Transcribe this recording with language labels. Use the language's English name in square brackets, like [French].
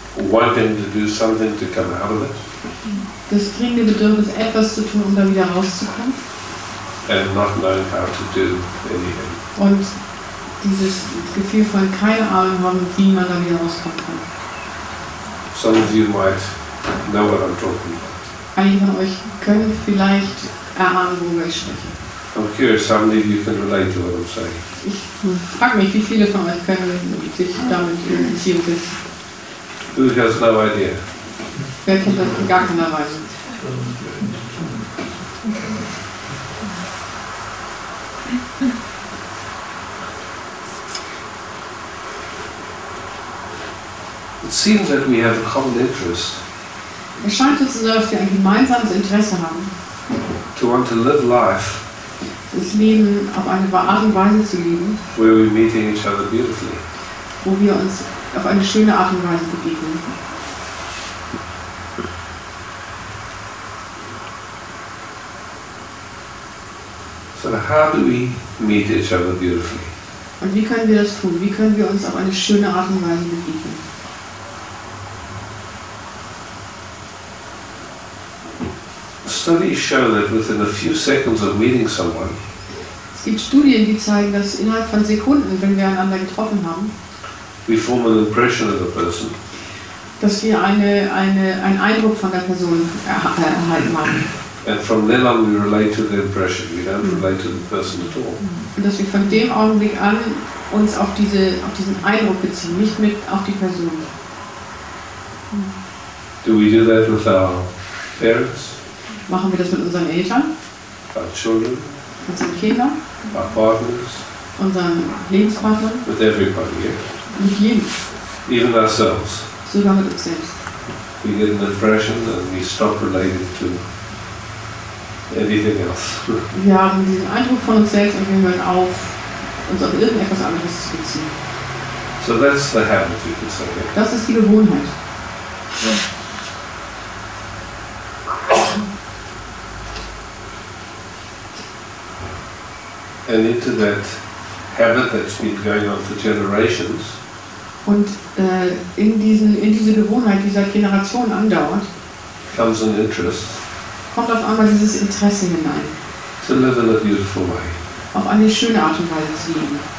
[English] Wanting to do something to come out of it. [German] Das dringende Bedürfnis, etwas zu tun, um da wieder rauszukommen. [English] And not knowing how to do anything. [German] Und dieses Gefühl von keine Ahnung haben, wie man da wieder rauskommen kann. [English] Some of you might know what I'm talking about. [German] Einige von euch können vielleicht erahnen, worüber ich spreche. [English] I'm curious, how many of you can relate to what I'm saying? [German] Ich frage mich, wie viele von euch können sich damit in Beziehung setzen. [English] Who has no idea? [German] Wer kennt das in gar keiner Weise? [English] It seems that we have a common interest. [German] Es scheint so zu sein, dass wir ein gemeinsames Interesse haben. [English] To want to live life. [German] Das Leben auf eine Art und Weise zu leben. [English] Where we're meeting each other beautifully. [German] Wo wir uns auf eine schöne Art und Weise begegnen. [English] So how do we meet each other beautifully? [German] Und wie können wir das tun? Wie können wir uns auf eine schöne Art und Weise begegnen? [English] Studies show that within a few seconds of meeting someone, [German] es gibt Studien, die zeigen, dass innerhalb von Sekunden, wenn wir einander getroffen haben, [English] we form an impression of the person, [German] dass wir einen Eindruck von der Person erhalten haben. [English] And from then on we relate to the impression, we don't relate to the person at all. [German] Und dass wir von dem Augenblick an uns auf diesen Eindruck beziehen, nicht mit auf die Person. [English] Do we do that with our parents? [German] Machen wir das mit unseren Eltern? [English] Our children? [German] Unseren Kindern? [English] Our partners? [German] Unseren Lebenspartnern? [English] With everybody, yeah? [German] Mit jedem. [English] Even ourselves. [German] Sogar mit uns selbst. [English] We get an impression and we stop relating to anything else. [German] Wir haben diesen Eindruck von uns selbst und wir hören auf, uns auf irgendetwas anderes zu beziehen. [English] So that's the habit, you can say. [German] Das ist die Gewohnheit. [English] And into that habit that's been going on for generations. [German] Und in diese Gewohnheit, die seit Generationen andauert, [English] comes an interest. [German] Kommt auf einmal dieses Interesse hinein. [English] To live in a beautiful way. [German] auf eine schöne Art und Weise zu leben.